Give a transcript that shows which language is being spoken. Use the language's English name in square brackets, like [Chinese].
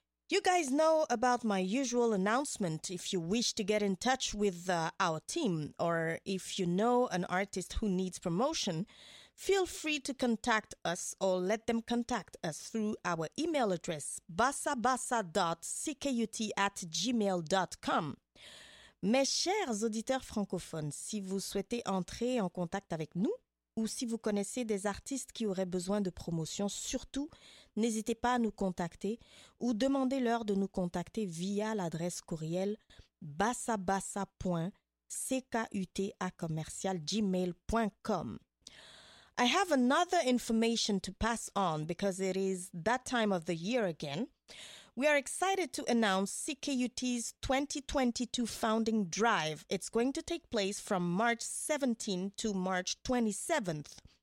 [English] You guys know about my usual announcement. If you wish to get in touch with our team, or if you know an artist who needs promotion, feel free to contact us or let them contact us through our email address, basabasa.ckut@gmail.com. [French] Mes chers auditeurs francophones, si vous souhaitez entrer en contact avec nous, ou si vous connaissez des artistes qui auraient besoin de promotion, surtout, n'hésitez pas à nous contacter ou demandez-leur de nous contacter via l'adresse courriel basabasa.ckuta@gmail.com. [English] I have another information to pass on because it is that time of the year again. We are excited to announce CKUT's 2022 Founding Drive. It's going to take place from March 17 to March 27th.